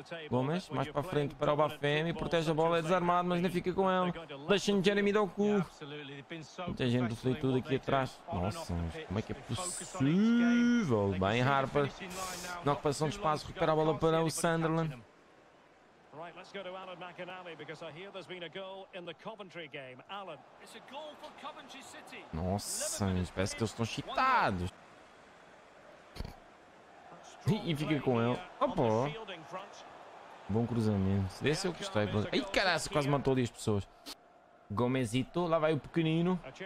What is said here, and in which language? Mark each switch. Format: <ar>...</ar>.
<pt>Gomes, mais para frente para o Bafemi. Protege a bola, é desarmado, mas nem fica com ele. Deixa-me Jeremy Doku. Muita gente do Fleetwood aqui atrás. Nossa, mas como é que é possível? Bem, Harper. Na ocupação de espaço, recupera a bola para o Sunderland.</pt> <en>Right, let's go to Alan McAnally because I hear there's been a goal in the Coventry game. Alan, it's a goal for Coventry City.</en> <pt>Nossa, parece que eles estão chitados. E fica com ele. Opa. Bom cruzamento. Desse eu gostei. Ai, caraca, quase matou ali as pessoas. Gomesito, lá vai o pequenino.</pt>